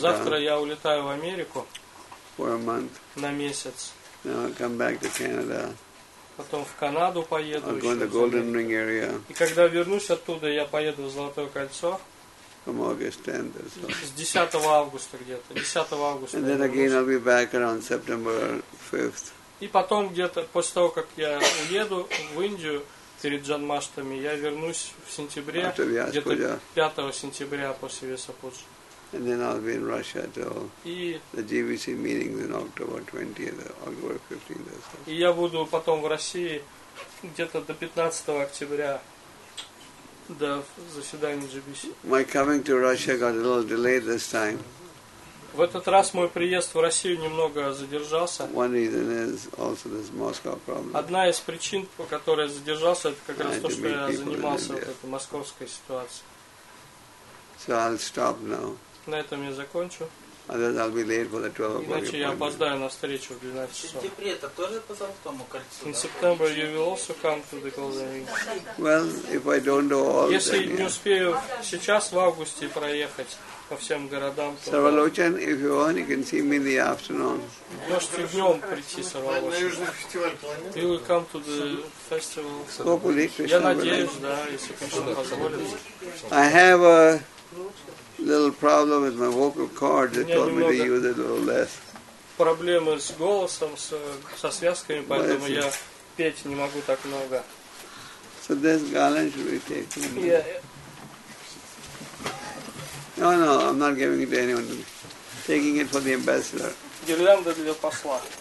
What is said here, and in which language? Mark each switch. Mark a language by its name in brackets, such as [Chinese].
[Russian] Завтра я улетаю в Америку. [English] For a month. [Russian] На месяц. [English] Then I'll come back to Canada. [Russian] Потом в Канаду поеду. [English] I'll go in the Golden Ring area. [Russian] И когда вернусь оттуда, я поеду в Золотое кольцо. [English] From August 10th or so. [Russian] С 10 августа где-то. 10 августа. [English] And then again I'll be back around September 5th. [Russian] И потом где-то после того, как я уеду в Индию перед Джанмаштами, я вернусь в сентябре, где-то 5 сентября после Весапуджи. [English] And then I'll be in Russia till the GVC meetings in October 20th or October 15th or so. [Russian] И я буду потом в России где-то до 15 октября. Да, заседание GBC. [English] My coming to Russia got a little delayed this time. [Russian] В этот раз мой приезд в Россию немного задержался. [English] One reason is also this Moscow problem. [Russian] Одна из причин, по которой я задержался, это как раз то, что я занимался вот этой московской ситуацией. [English] So I'll stop now. [Russian] На этом я закончу. [English] Otherwise I'll be late for the 12 o'clock. [Russian] Иначе я опоздаю на встречу в 12 часов. Сентябре это тоже по Золотому кольцу. [English] In September you will also come to the Golden Ring. Well, if I don't do all, [Russian] если [English] then, yeah. [Russian] Не успею сейчас в августе проехать по всем городам. [English] Сарвалочан, if you want, you can see me in the afternoon. [Russian] Можете днем прийти, Сарвалочан. На южный фестиваль планеты. [English] You will come to the festival. Hopefully, [Russian] я надеюсь, да, если Кришна позволит. [English] I have a little problem with my vocal cord. They told me to use it a little less. [Russian] Проблемы с голосом, со связками, поэтому я петь не могу так много. [English] So this garland should be taken. Yeah. No, I'm not giving it to anyone. I'm taking it for the ambassador. [Russian] Гирлянда для посла.